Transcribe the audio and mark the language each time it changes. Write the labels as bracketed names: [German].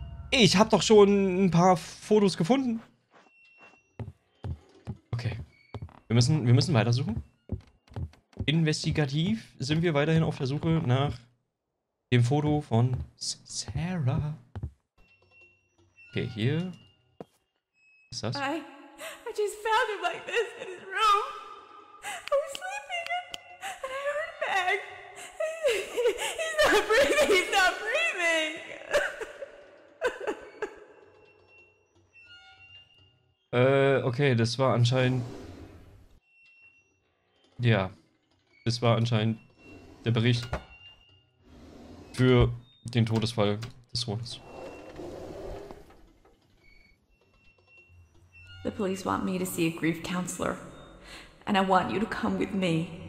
[German] Ich hab doch schon ein paar Fotos gefunden. Okay. Wir müssen weitersuchen. Investigativ sind wir weiterhin auf der Suche nach dem Foto von Sarah. Okay, hier. Was ist das? [English] I just found him like this in his room. I was sleeping and I heard him back. He's not breathing. [German] okay, das war anscheinend. Ja. Das war anscheinend der Bericht für den Todesfall des Sohnes. [English] The police want me to see a grief counselor. And I want you to come with me.